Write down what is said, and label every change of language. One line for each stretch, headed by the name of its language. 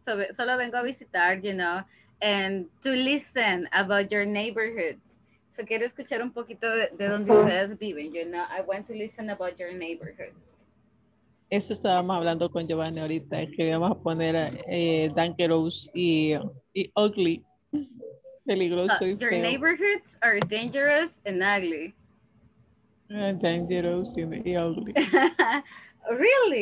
Spanish: Solo vengo a visitar,
English: you know, and to listen about your neighborhood.
Spanish: So quiero escuchar un poquito de donde ustedes viven.
English: You know, I want to listen about your neighborhoods.
Spanish: Eso estábamos hablando con Giovanni ahorita, que íbamos a poner dangerous y ugly. Peligroso y
English: your
Spanish: feo.
English: Neighborhoods are dangerous and ugly. Dangerous y ugly. Really?